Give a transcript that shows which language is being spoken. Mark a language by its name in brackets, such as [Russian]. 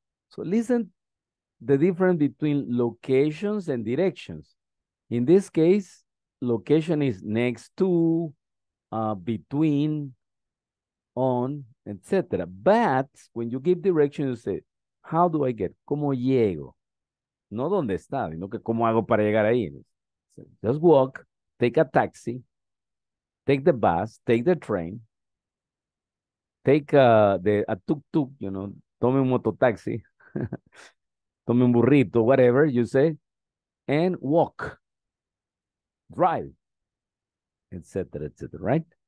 [English] So listen, the difference between locations and directions. In this case, location is next to, between, on, etc. But when you give directions, you say, how do I get? [Spanish] ¿Cómo llego? No dónde está, sino que cómo hago para llegar ahí. [English] So just walk, take a taxi, take the bus, take the train, take a tuk-tuk, you know, [Spanish] tome un mototaxi, tome un burrito, [English] whatever you say, and walk, drive, etc., etc., right?